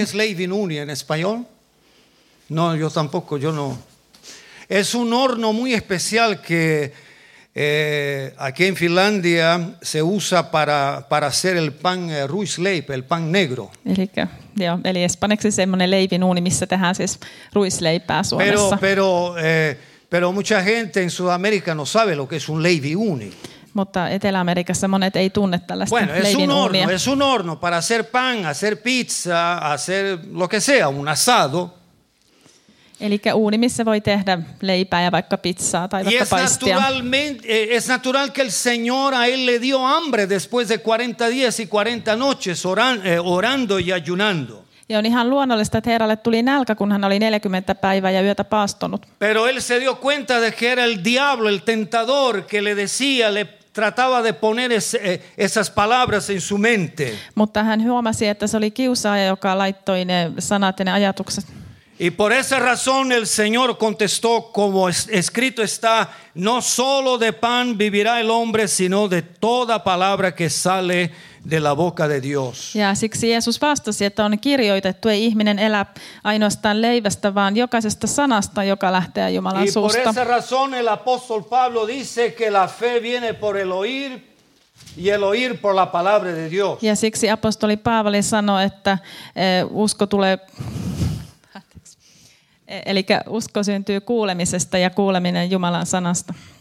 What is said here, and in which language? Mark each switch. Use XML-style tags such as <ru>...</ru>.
<es>¿Qué es leivin uuni en español? No, yo tampoco, yo no. Es un horno muy especial que aquí en Finlandia se usa para hacer el pan ruisleip, el pan negro.</es> <fi>Eli espanjaksi semmoinen leivin uuni, missä tehdään siis ruisleipää Suomessa.</fi> <es>Pero mucha gente en Sudamérica no sabe lo que es un leivin uuni.</es> <fi>Mutta Etelä-Amerikassa monet ei tunne tällaista leivin uunia.</fi> <es>Bueno, es un horno para hacer pan, hacer pizza, hacer lo que sea, un asado.</es> <fi>Elikkä uuni, missä voi tehdä leipää ja vaikka pizzaa tai vaikka paistia.</fi> <es>Es natural que el Señor a él le dio hambre después de 40 días y 40 noches orando y ayunando.</es> <fi>Ja on ihan luonnollista, että Herralle tuli nälkä, kun hän oli 40 päivää ja yötä paastonut.</fi> <es>Pero él se dio cuenta de que era el diablo, el tentador, que le decía, le trataba de poner esas palabras en su mente.</es> <fi>Mutta hän huomasi, että se oli kiusaaja, joka laittoi ne sanat ja ne ajatukset.</fi> <es>Y por esa razón el Señor contestó, como escrito está, no solo de pan vivirá el hombre, sino de toda palabra que sale de la boca de Dios.</es> <fi>Ja siksi Jeesus vastasi, että on kirjoitettu, ei ihminen elä ainoastaan leivästä, vaan jokaisesta sanasta, joka lähtee Jumalan suusta.</fi> <es>Y por esa razón el apóstol Pablo dice que la fe viene por el oír. Y el oír por la palabra de Dios.</es> <fi>Ja siksi apostoli Paavali sanoi, että usko tulee... Eli usko syntyy kuulemisesta ja kuuleminen Jumalan sanasta.</fi>